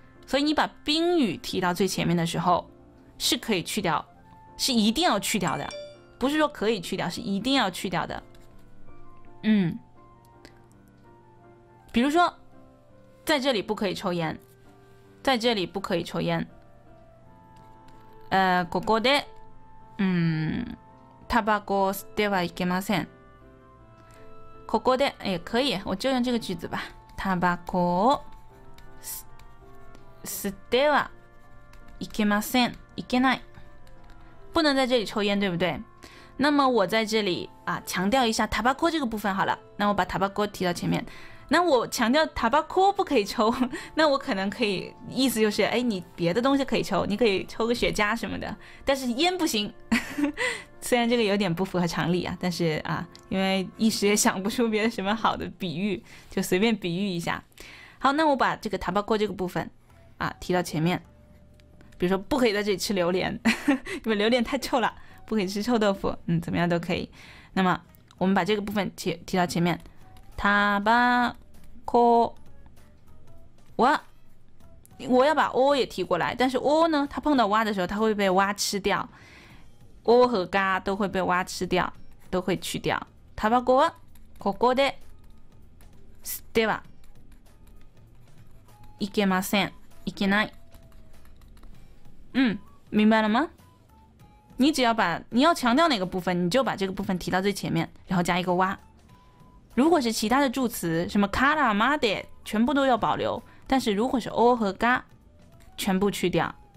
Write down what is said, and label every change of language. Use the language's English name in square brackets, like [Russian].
[Chinese] 所以你把宾语提到最前面的时候，是可以去掉，是一定要去掉的，不是说可以去掉，是一定要去掉的。嗯，比如说，在这里不可以抽烟，在这里不可以抽烟。 [Japanese] ここで、タバコを吸ってはいけません。ここで [Chinese] 也可以，我就用这个句子吧。 [Japanese] タバコを吸ってはいけません。いけない， [Chinese] 不能在这里抽烟，对不对？那么我在这里啊，强调一下タバコ这个部分好了。那我把タバコ提到前面。那我强调タバコ不可以抽，那我可能可以意思就是，哎，你别的东西可以抽，你可以抽个雪茄什么的，但是烟不行。虽然这个有点不符合常理啊，但是啊，因为一时也想不出别的什么好的比喻，就随便比喻一下。好，那我把这个タバコ这个部分啊提到前面，比如说不可以在这里吃榴莲，因为榴莲太臭了，不可以吃臭豆腐，嗯，怎么样都可以。那么我们把这个部分提到前面，タバコ，我要把お也提过来，但是お呢，它碰到哇的时候，它会被哇吃掉。 O和嘎都会被挖吃掉，都会去掉。 [Japanese] タバコはここで吸ってはいけません。いけない。 [Chinese] 嗯，明白了吗？你只要把你要强调哪个部分，你就把这个部分提到最前面，然后加一个挖。如果是其他的助词，什么からまで全部都要保留，但是如果是 O 和嘎，全部去掉。